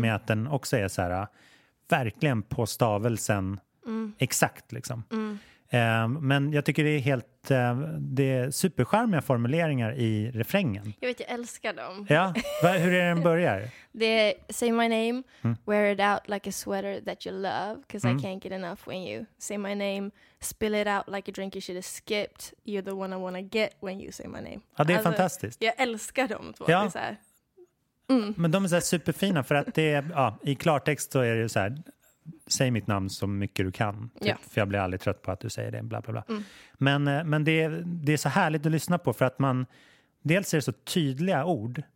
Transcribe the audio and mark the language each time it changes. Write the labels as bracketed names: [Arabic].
[Swedish] Med att den också är så här, verkligen på stavelsen exakt liksom. Mm. Men jag tycker det är helt, det är superskärmiga formuleringar i refrängen. Jag vet, jag älskar dem. Ja, hur är den börjar? Det är, [English] say my name, wear it out like a sweater that you love, cause I can't get enough when you say my name, spill it out like a drink you should have skipped, you're the one I wanna get when you say my name. [Swedish] Ja, det är alltså, fantastiskt. Jag älskar dem två. Ja. Så här. Men de är så här superfina, för att det är, ja, i klartext så är det ju så här. Säg mitt namn så mycket du kan. Typ, ja. För jag blir aldrig trött på att du säger det. Bla, bla, bla. Mm. Men det är så härligt att lyssna på. För att man dels är det så tydliga ord.